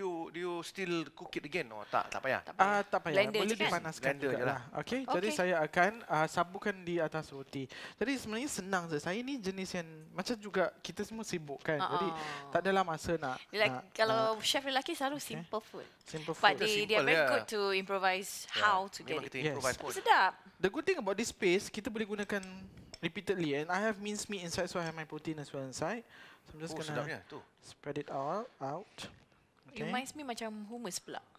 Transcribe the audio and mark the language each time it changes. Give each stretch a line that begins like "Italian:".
English: Do you still cook it again or
Malay: tak? Tak payah. Tak payah. Blender boleh dipanaskan juga lah. Okay. Jadi saya akan sabukan di atas roti. Jadi sebenarnya senang saja. Saya ni jenis yang macam juga kita semua sibuk kan. Jadi tak adalah masa nak. Chef lelaki selalu
English: simple food. Simple but food. But they are very good to improvise how to get it. Yes.
Malay: Sedap.
English: The good thing about this paste,
Malay: kita boleh gunakan
English: repeatedly. And I have mincemeat inside, so I have my protein as well inside. So I'm just going to spread it all out. Okay. Reminds me
Malay: macam hummus pula.